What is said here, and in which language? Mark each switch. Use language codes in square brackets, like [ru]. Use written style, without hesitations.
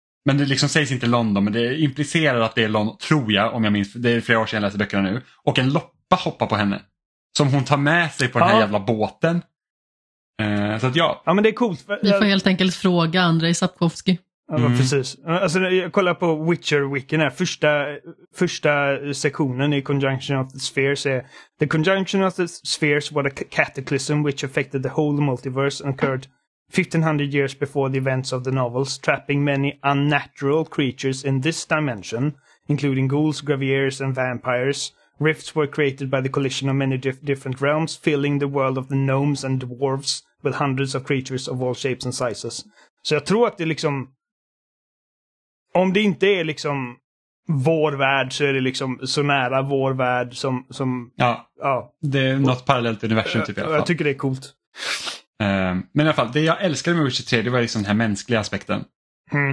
[sv] Men det liksom sägs inte London, men det implicerar att det är London, tror jag, om jag minns. Det är flera år sedan jag läste böckerna nu. Och en loppa hoppar på henne. Som hon tar med sig på den här jävla båten. Så att ja. Ja, men det är coolt. För, vi får helt enkelt fråga Andrei Sapkowski. Ja, precis. Alltså, jag kollar på Witcher-wikin här. Första sektionen i Conjunction of the Spheres är: [en] "The Conjunction of the Spheres was a cataclysm which affected the whole multiverse and occurred 1500 years before the events of the novels, trapping many unnatural creatures in this dimension, including ghouls, graviers and vampires. Rifts were created by the collision of many different realms, filling the world of the gnomes and dwarves with hundreds of creatures of all shapes and sizes." [sv] Så jag tror att det liksom, om det inte är liksom vår värld, så är det liksom så nära vår värld som ja, det är något parallellt universum typ i alla fall. Jag tycker det är coolt. Men i alla fall, det jag älskade med Witcher 3, det var liksom den här mänskliga aspekten. Mm.